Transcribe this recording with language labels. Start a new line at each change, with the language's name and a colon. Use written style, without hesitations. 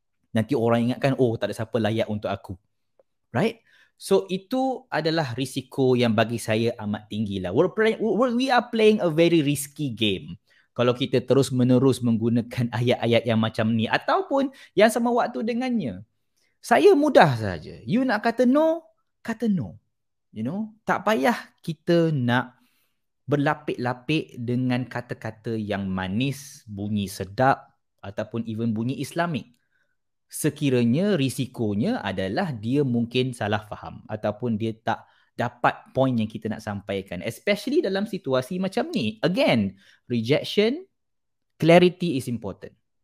Malay: Nanti orang ingatkan, oh, tak ada siapa layak untuk aku. Right? So, itu adalah risiko yang bagi saya amat tinggi lah.
English: We are playing a very risky game.
Malay: Kalau kita terus-menerus menggunakan ayat-ayat yang macam ni ataupun yang sama waktu dengannya. Saya mudah saja. You nak kata no, kata no. You know, tak payah kita nak berlapik-lapik dengan kata-kata yang manis, bunyi sedap ataupun even bunyi Islamik. Sekiranya risikonya adalah dia mungkin salah faham ataupun dia tak dapat point yang kita nak sampaikan. Especially dalam situasi macam ni.
English: Again, rejection, clarity is important.